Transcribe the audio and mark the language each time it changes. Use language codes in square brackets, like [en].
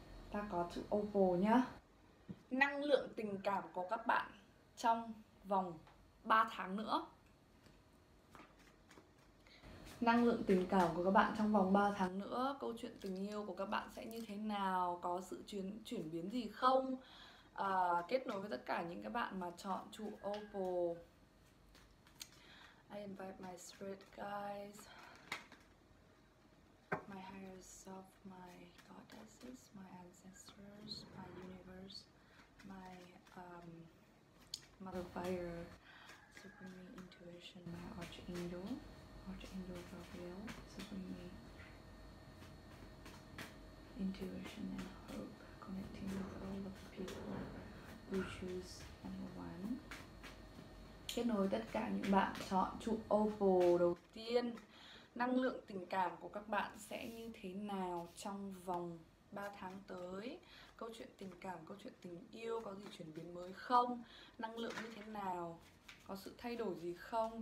[vi] Ta có trụ opal nhá. Năng lượng tình cảm của các bạn trong vòng 3 tháng nữa. Năng lượng tình cảm của các bạn trong vòng 3 tháng nữa, câu chuyện tình yêu của các bạn sẽ như thế nào, có sự chuyển biến gì không? Kết nối với tất cả những các bạn mà chọn trụ opal. [en] I invite my spirit guides, my higher self, my goddesses, my ancestors, my universe, my mother fire, supreme intuition, my archangel, Archangel Gabriel, supreme intuition and hope, connecting with all of the people who choose anyone. [vi] Kết nối tất cả những bạn chọn trụ opal đầu tiên. Năng lượng tình cảm của các bạn sẽ như thế nào trong vòng 3 tháng tới? Câu chuyện tình cảm, câu chuyện tình yêu có gì chuyển biến mới không? Năng lượng như thế nào? Có sự thay đổi gì không?